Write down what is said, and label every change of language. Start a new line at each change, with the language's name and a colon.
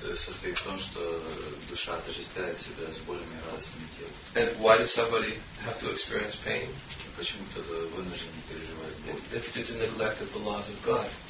Russian: Состоит в том, что душа отождествляет себя с болями и радостями тела.
English: And why does somebody have to experience pain?
Russian: Почему кто-то вынужден переживать боль?
English: It's due to neglect of the laws of God.